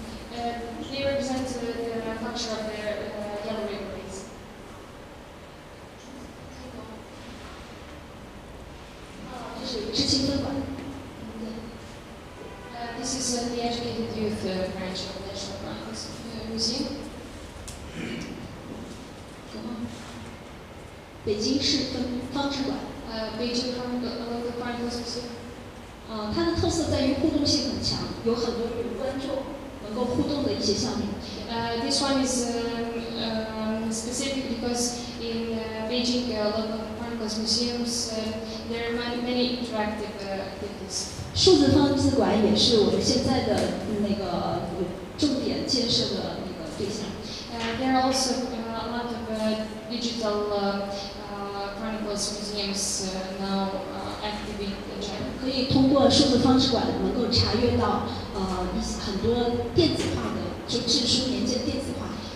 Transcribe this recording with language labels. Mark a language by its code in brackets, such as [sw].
[en] They represent the culture of the Yellow River Base. This is the Educated Youth Branch of the National Chronicles Museum. [zh] Beijing 市分方志馆。 [en] Beijing Local Chronicles Museum. [zh] 它的特色在于互动性很强，有很多与观众能够互动的一些项目。 [en] This one is specific because in Beijing Local Chronicles Museums there are many interactive activities. [zh] 数字方志馆也是我们现在的那个重点建设的那个对象。 [en] There are also a lot of digital chronicles museums now active in China. [zh] 可以通过数字方式馆能够查阅到很多电子化的就制书年鉴电子化。